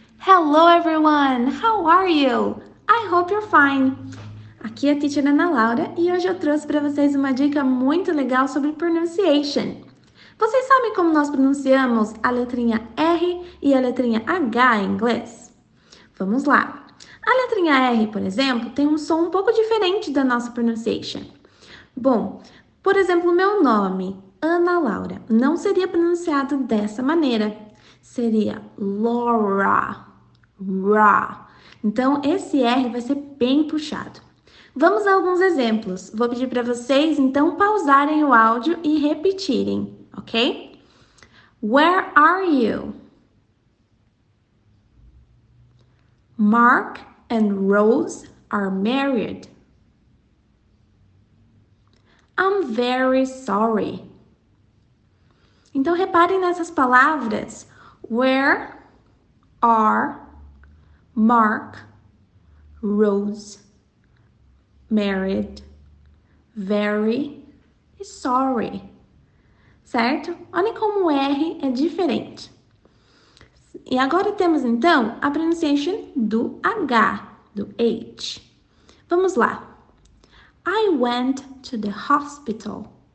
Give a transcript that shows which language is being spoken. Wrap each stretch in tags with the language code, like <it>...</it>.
<en>Hello everyone, how are you? I hope you're fine.</en> <pt>Aqui é a teacher Ana Laura e hoje eu trouxe para vocês uma dica muito legal sobre pronunciation. Vocês sabem como nós pronunciamos a letrinha R e a letrinha H em inglês? Vamos lá. A letrinha R, por exemplo, tem um som um pouco diferente da nossa pronunciation. Bom, por exemplo, meu nome, Ana Laura, não seria pronunciado dessa maneira. Seria Laura, Ra. Então, esse R vai ser bem puxado. Vamos a alguns exemplos. Vou pedir para vocês, então, pausarem o áudio e repetirem, ok?</pt> <en>Where are you? Mark and Rose are married. I'm very sorry.</en> <pt>Então, reparem nessas palavras.</pt> <en>Where are Mark, Rose, married, very sorry?</en> <pt>Certo? Olhem como o R é diferente. E agora temos então a pronunciation do H, do H. Vamos lá.</pt> <en>I went to the hospital.</en>